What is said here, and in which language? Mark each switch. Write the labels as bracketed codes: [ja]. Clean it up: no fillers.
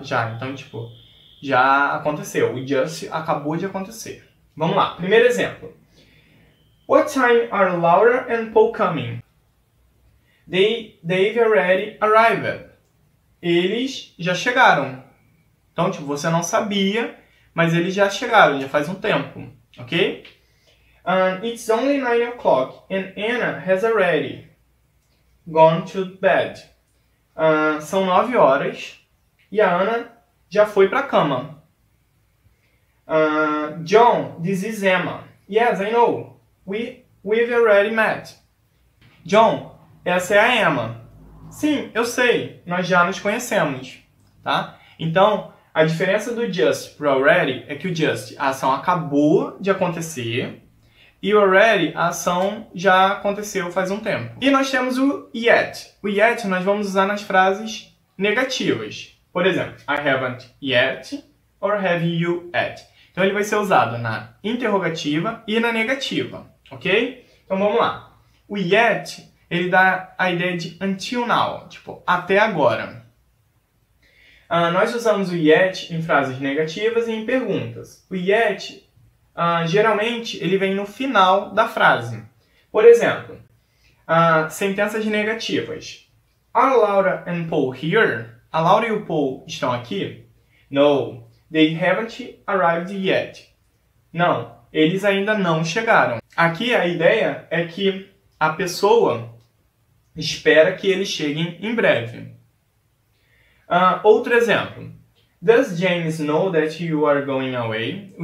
[pt] Já. Então, tipo, já aconteceu. O just acabou de acontecer. Vamos lá. Primeiro exemplo. [en] What time are Laura and Paul coming? They've already arrived. [pt] Eles já chegaram. Então, tipo, você não sabia, mas eles já chegaram, já faz um tempo. Ok? [en] It's only 9 o'clock and Anna has already gone to bed. [pt] São 9 horas e a Anna já foi para a cama. [en] John, this is Emma. Yes, I know. We've already met. [pt] John, essa é a Emma. Sim, eu sei. Nós já nos conhecemos, tá? Então a diferença do just para o already é que o just, a ação acabou de acontecer, e o already, a ação já aconteceu faz um tempo. E nós temos o yet. O yet nós vamos usar nas frases negativas. Por exemplo, [en] I haven't yet or have you yet. [pt] Então ele vai ser usado na interrogativa e na negativa, ok? Então vamos lá. O yet, ele dá a ideia de [en] until now, [pt] tipo, até agora. Nós usamos o yet em frases negativas e em perguntas. O yet, geralmente, ele vem no final da frase. Por exemplo, sentenças negativas. [en] Are Laura and Paul here? [pt] A Laura e o Paul estão aqui? [en] No, they haven't arrived yet. [pt] Não, eles ainda não chegaram. Aqui a ideia é que a pessoa espera que eles cheguem em breve. Outro exemplo. [en] Does James know that you are going away?